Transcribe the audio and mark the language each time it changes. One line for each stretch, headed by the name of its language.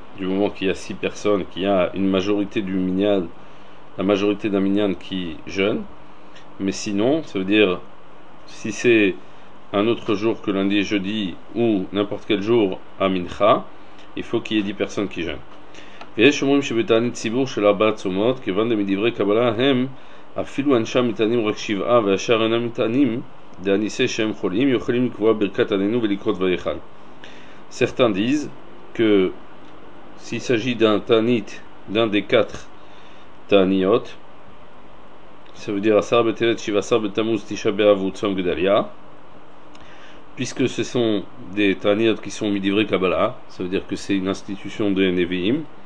French: Du moment qu'il y a 6 personnes, qu'il y a une majorité du Minyan, la majorité d'un Minyan qui jeûne. Mais sinon, ça veut dire si c'est un autre jour que lundi et jeudi ou n'importe quel jour à Mincha, il faut qu'il y ait 10 personnes qui jeûnent.
Hebrew: ויש אומרים שבתענית ציבור של ארבע עצומות, כיוון דמדברי קבלה הם, אפילו אנשם מתענים רק שבעה והשאר אינם מתענים, דעניסי שהם חולים, יכולים לקבוע ברכת ענינו ולקרות ויחל.
French: Certains disent que s'il s'agit d'un תענית, d'un des quatre תעניות, ça veut dire עשר בטבת, שבע עשר בתמוז, תשעה באב וצום גדליה, puisque ce sont des תעניות qui sont מדברי קבלה, ça veut dire que c'est une institution de נביאים,